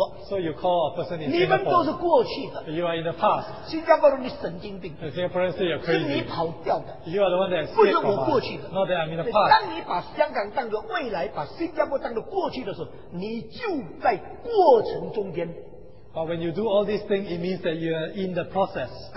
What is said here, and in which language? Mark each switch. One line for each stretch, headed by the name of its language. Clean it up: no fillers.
English: So you call a person in Singapore. You are in the past. The Singaporeans say you're crazy. You are the one that escaped from us. Not that I'm in the past.
Chinese: 当你把香港当作未来, 把新加坡当作过去的时候, 你就在过程中间。
English: But when you do all these things, it means that you are in the process.